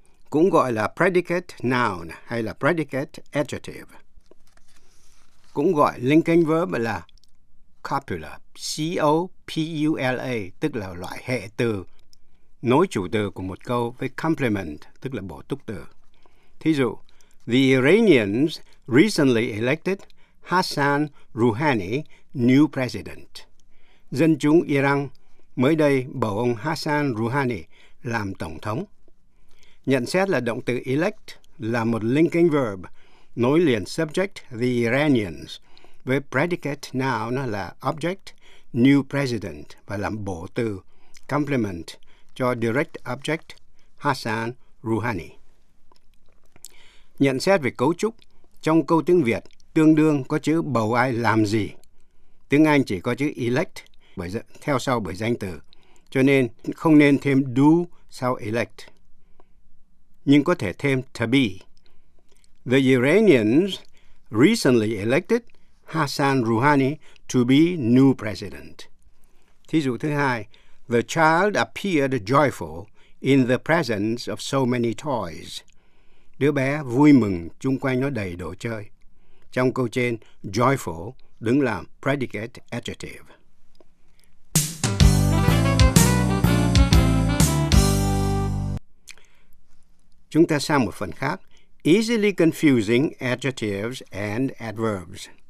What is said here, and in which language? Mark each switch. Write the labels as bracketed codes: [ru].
[vi] Cũng gọi là predicate noun hay là predicate adjective. Cũng gọi linking verb là copula, C-O-P-U-L-A, tức là loại hệ từ nối chủ từ của một câu với complement, tức là bổ túc từ. Thí dụ, [en] the Iranians recently elected Hassan Rouhani new president. [vi] Dân chúng Iran mới đây bầu ông Hassan Rouhani làm tổng thống. Nhận xét là động từ elect là một linking verb nối liền subject the Iranians với predicate noun là object new president và làm bổ từ complement cho direct object Hassan Rouhani. Nhận xét về cấu trúc, trong câu tiếng Việt tương đương có chữ bầu ai làm gì. Tiếng Anh chỉ có chữ elect theo sau bởi danh từ, cho nên không nên thêm do sau elect. Nhưng có thể thêm to be. [en] The Iranians recently elected Hassan Rouhani to be new president. [vi] Thí dụ thứ hai, [en] the child appeared joyful in the presence of so many toys. [vi] Đứa bé vui mừng chung quanh nó đầy đồ chơi. Trong câu trên, joyful đứng làm predicate adjective. Chúng ta sang một phần khác, [en] easily confusing adjectives and adverbs.